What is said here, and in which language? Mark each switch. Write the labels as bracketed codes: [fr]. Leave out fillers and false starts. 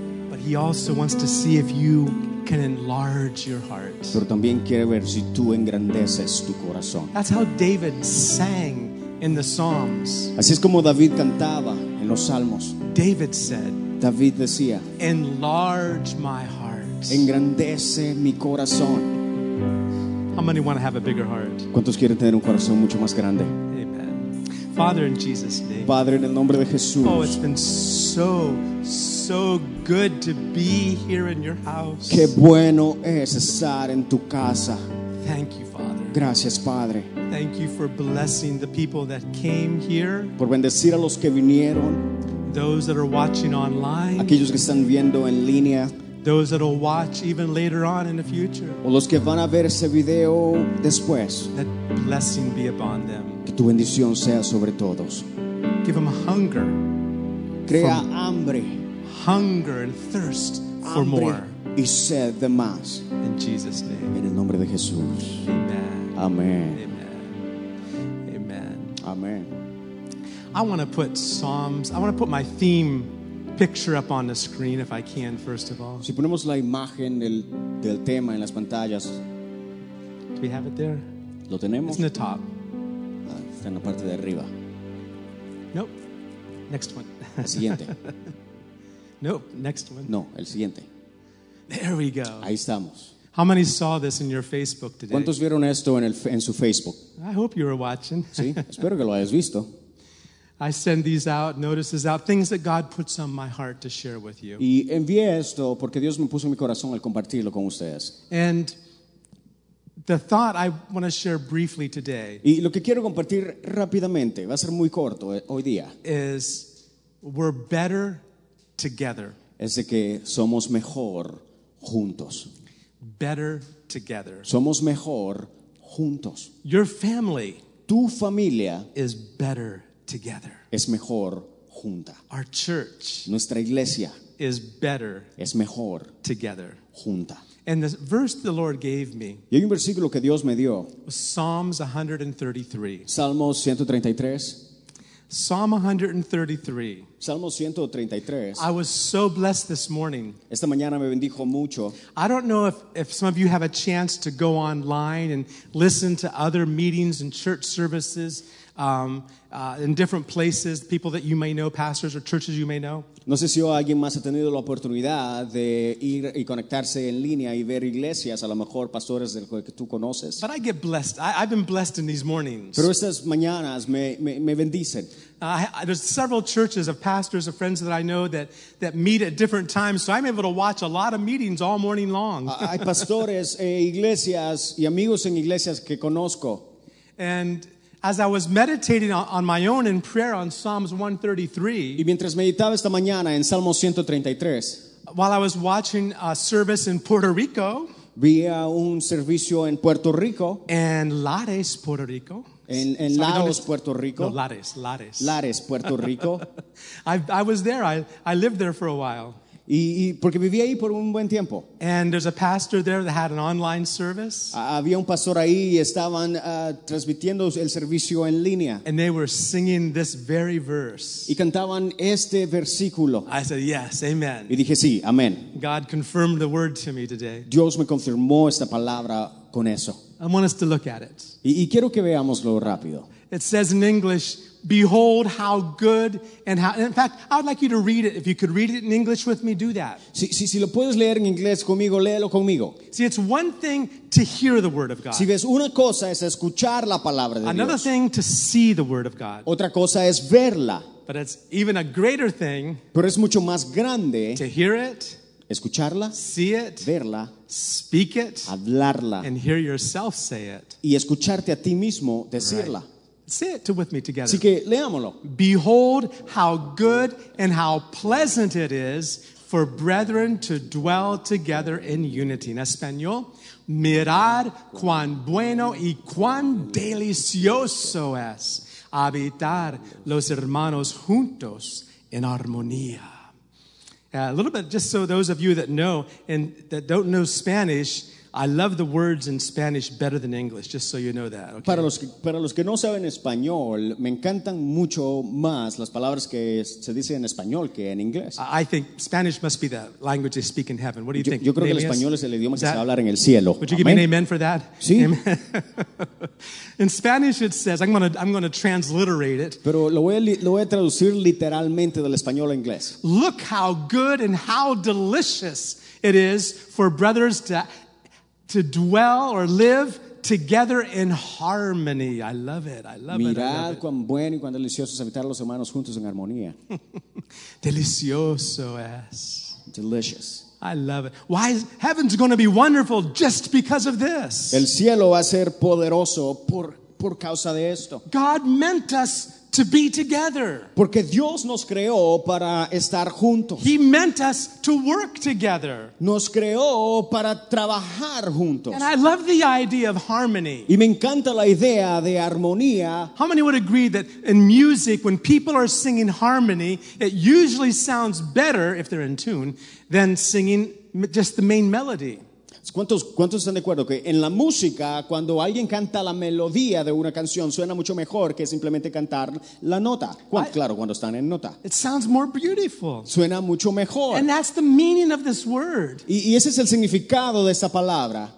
[en] But he also wants to see if you can enlarge your heart. [es] Pero también quiere ver si tú engrandeces tu corazón. [en] That's how David sang in the Psalms. [es] Así es como David cantaba en los Salmos. [en] David said, [es] David decía, [en] enlarge my heart. [es] Engrandece mi corazón. [en] How many want to have a bigger heart? [es] ¿Cuántos quieren tener un corazón mucho más grande? [en] Amen. Father, in Jesus' name. [es] Padre, en el nombre de Jesús. [en] Oh, it's been so good to be here in your house. [es] Qué bueno es estar en tu casa. [en] Thank you, Father. [es] Gracias, Padre. [en] Thank you for blessing the people that came here. [es] Por bendecir a los que vinieron. [en] Those that are watching online. [es] Aquellos que están viendo en línea. [en] Those that will watch even later on in the future. [es] O los que van a ver ese video después. [en] That blessing be upon them. [es] Que tu bendición sea sobre todos. [en] Give them hunger. [es] Crea hambre. [en] Hunger and thirst for more. [es] Y sed de más. [en] In Jesus' name. [es] En el nombre de Jesús. Amen. Amen. Amen. Amen. [en] I want to put Psalms. I want to put my theme picture up on the screen if I can, first of all. [es] Si ponemos la imagen del tema en las pantallas. [en] Do we have it there? [es] Lo tenemos. [en] It's in the top. [es] Está en la parte de arriba. [en] Nope. Next one. [es] El siguiente. [en] Nope. Next one. [es] No, el siguiente. [en] There we go. [es] Ahí estamos. [en] How many saw this in your Facebook today? [es] ¿Cuántos vieron esto en su Facebook? [en] I hope you were watching. [es] Sí, espero que lo hayas visto. [en] I send these out, notices out, things that God puts on my heart to share with you. [es] Y envié esto porque Dios me puso en mi corazón al compartirlo con ustedes. [en] And the thought I want to share briefly today. [es] Y lo que quiero compartir rápidamente, va a ser muy corto hoy día. [en] Is we're better together. [es] Es de que somos mejor juntos. [en] Better together. [es] Somos mejor juntos. [en] Your family. [es] Tu familia. [en] Is better together. [es] Es mejor junta. [en] Our church. [es] Nuestra iglesia. [en] Is better. [es] Es mejor [en] together. [es] Junta. [en] And the verse the Lord gave me. [es] Y hay un versículo que Dios me dio. [en] Psalms 133. [es] Salmos 133. [en] Psalm 133. [es] Salmo 133. [en] I was so blessed this morning. [es] Esta mañana me bendijo mucho. [en] I don't know if some of you have a chance to go online and listen to other meetings and church services in different places, people that you may know, pastors or churches you may know. [es] No sé si alguien más ha tenido la oportunidad de ir y conectarse en línea y ver iglesias, a lo mejor pastores del que tú conoces. [en] But I get blessed. I've been blessed in these mornings. [es] Pero estas mañanas me bendicen. [en] There's several churches of pastors, of friends that I know that meet at different times, so I'm able to watch a lot of meetings all morning long. [es] Hay pastores, iglesias y amigos en iglesias que conozco. [en] And as I was meditating on my own in prayer on Psalms 133, [es] y mientras meditaba esta mañana en Salmo 133, [en] while I was watching a service in Puerto Rico, [es] vi un servicio en Puerto Rico, en Lares, Puerto Rico, en Lares, Puerto Rico, no, Lares, Lares, Puerto Rico. [en] I was there. I lived there for a while. [es] Y porque viví ahí por un buen tiempo. [en] And there's a pastor there that had an online service. [es] Había un pastor ahí y estaban transmitiendo el servicio en línea. [en] And they were singing this very verse. [es] Y cantaban este versículo. [en] I said, yes, amen. [es] Y dije, sí, amén. [en] God confirmed the word to me today. [es] Dios me confirmó esta palabra con eso. [en] I want us to look at it. [es] Y quiero que veámoslo rápido. [en] It says in English, behold how good and how. In fact, I would like you to read it. If you could read it in English with me, do that. [es] Si lo puedes leer en inglés conmigo, léelo conmigo. [en] See, it's one thing to hear the word of God. [es] Si ves una cosa es escuchar la palabra de [en] Another [es] Dios. [en] Another thing to see the word of God. [es] Otra cosa es verla. [en] But it's even a greater thing. [es] Pero es mucho más grande. [en] To hear it. [es] Escucharla. [en] See it. [es] Verla. [en] Speak it. [es] Hablarla. [en] And hear yourself say it. [es] Y escucharte a ti mismo decirla. [en] Right. Say it with me together. [es] Así que, leámoslo. [en] Behold how good and how pleasant it is for brethren to dwell together in unity. [es] En español, mirad cuán bueno y cuán delicioso es habitar los hermanos juntos en armonía. [en] A little bit, just so those of you that know and that don't know Spanish, I love the words in Spanish better than English, just so you know that. Okay? [es] Para los que no saben español, me encantan mucho más las palabras que se dicen en español que en inglés. [en] I think Spanish must be the language they speak in heaven. What do you think? [es] Yo creo que el español es el idioma que se va a hablar en el cielo. [en] Would you give me an amen for that? [es] Sí. Amen. [en] In Spanish it says, I'm going to transliterate it. [es] Pero lo voy a traducir literalmente del español a inglés. [en] Look how good and how delicious it is for brothers to dwell or live together in harmony. I love it. I love [es] Mirad [en] it. [es] Cuán bueno y cuán delicioso es habitar a los hermanos juntos en armonía. Delicioso es. [en] Delicious. I love it. Why is heaven's going to be wonderful just because of this? [es] El cielo va a ser poderoso por causa de esto. [en] God meant us to be together. [es] Porque Dios nos creó para estar juntos. [en] He meant us to work together. [es] Nos creó para trabajar juntos. [en] And I love the idea of harmony. [es] Y me encanta la idea de armonía. [en] How many would agree that in music, when people are singing harmony, it usually sounds better if they're in tune than singing just the main melody? [es] ¿Cuántos están de acuerdo que en la música, cuando alguien canta la melodía de una canción, suena mucho mejor que simplemente cantar la nota? Claro, cuando están en nota. [en] It sounds more beautiful. [es] Suena mucho mejor. [en] And that's the meaning of this word. [es] Y ese es el significado de esta palabra.